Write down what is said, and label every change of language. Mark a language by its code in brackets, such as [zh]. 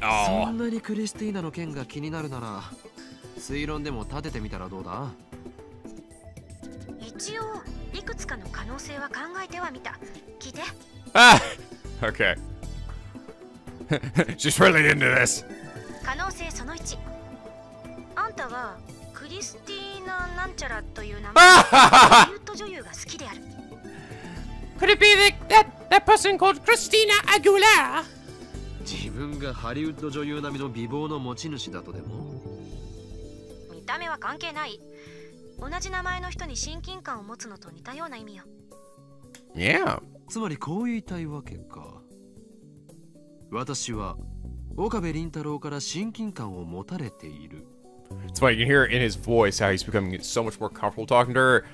[ja] そんなにクリスティーナの件が気になるなら推論でも立ててみたらどうだ。一応いくつかの可能性は考えてはみた。聞いて。Okay. [en] She's really into this. [ja] 可能性その一。あんたはクリスティーナなんちゃらという名前のハリウッド女優が好きである。 [en] Could it be that person called Christina Aguilera? [ja] 自分がハリウッド女優並みの美貌の持ち主だとでも。見た目は関係ない。同じ名前の人に親近感を持つのと似たような意味よ。 [en] Yeah. [ja] つまりこう言いたいわけか。私は岡部凛太郎から親近感を持たれている。 [en] It's funny, you can hear in his voice how he's becoming so much more comfortable talking to her.